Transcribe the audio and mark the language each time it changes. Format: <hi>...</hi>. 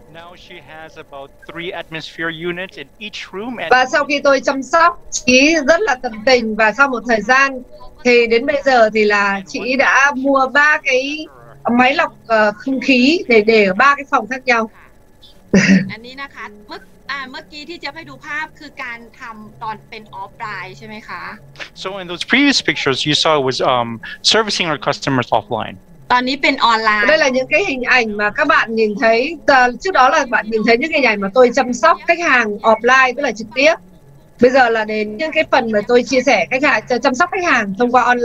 <en>Now she has about 3 atmosphere units in each room</en> <vi>và sau khi tôi chăm sóc chị rất là tận tình và sau một thời gian thì đến bây giờ thì là chị đã mua 3 cái máy lọc không khí để ở 3 cái phòng khác nhau.</vi> <th>อันนี้นะคะเมื่อกี้ที่จะให้ดูภาพคือการทำตอนเป็นออฟไลน์ใช่ไหมคะ</th> <en>So in those previous pictures you saw was servicing our customers offline</en> <th>ตอนนี้เป็นออนไลน์</th> <vi>đây là những cái hình ảnh mà các bạn nhìn thấy trước đó là bạn nhìn thấy những hình ảnh mà tôi chăm sóc khách hàng offline tức là trực tiếp bây giờ là đến những cái phần mà tôi chia sẻ khách hàng chăm sóc khách hàng thông qua</vi>